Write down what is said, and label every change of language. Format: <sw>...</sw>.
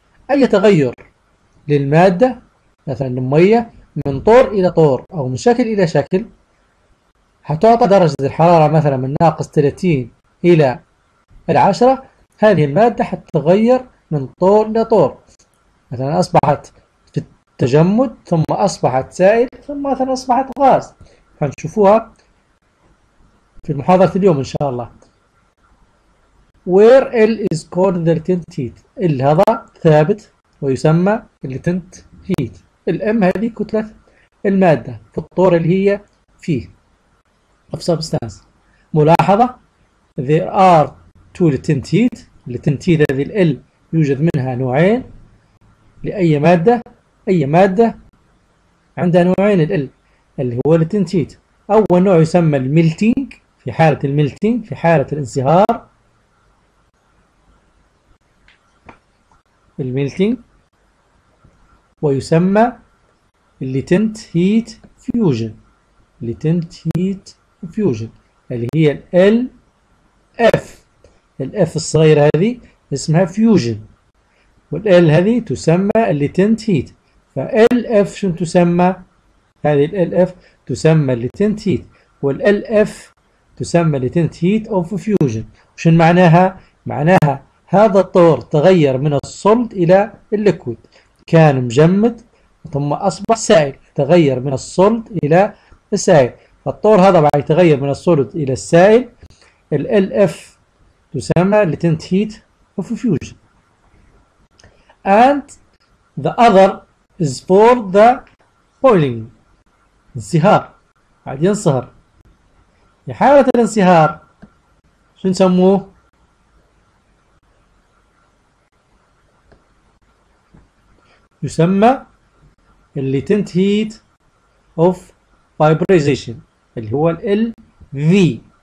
<ar>أي تغير للمادة مثلا المية من طور إلى طور أو من شكل إلى شكل هتعطى درجة الحرارة مثلا من ناقص 30 إلى 10. هذه المادة هتتغير من طور إلى طور، مثلا أصبحت تجمد ثم أصبحت سائل ثم مثلا أصبحت غاز. هنشوفوها في محاضرة اليوم إن شاء الله.</ar> <en>Where L is called the latent heat.</en> <ar>L هذا ثابت ويسمى latent heat. الM هذه كتلة المادة في الطور اللي هي فيه</ar> <en>of substance.</en> <ar>ملاحظة</ar> <en>there are two latent heat.</en> <ar>latent heat هذه ال يوجد منها نوعين لأي مادة. أي مادة عندها نوعين ال اللي هو latent heat. أول نوع يسمى الميلتينج، في حالة الميلتينج في حالة الانصهار الميلتينج، ويسمى latent heat fusion. latent heat fusion اللي هي ال F. ال F الصغيرة هذه اسمها fusion، وال L هذه تسمى latent heat. فال اف شنو تسمى؟ هذه ال اف تسمى latent heat، والال اف تسمى latent heat of fusion. شنو معناها؟ معناها هذا الطور تغير من الصلد الى الليكويد، كان مجمد ثم اصبح سائل، تغير من الصلد الى السائل. فالطور هذا بعد يتغير من الصلد الى السائل، ال اف تسمى latent heat of fusion.</ar> <en>And the other is for the boiling.</en> <ar>انصهار. بعد ينصهر. في حالة الانصهار شو نسموه؟ يسمى latent heat of vaporization اللي هو ال V.</ar>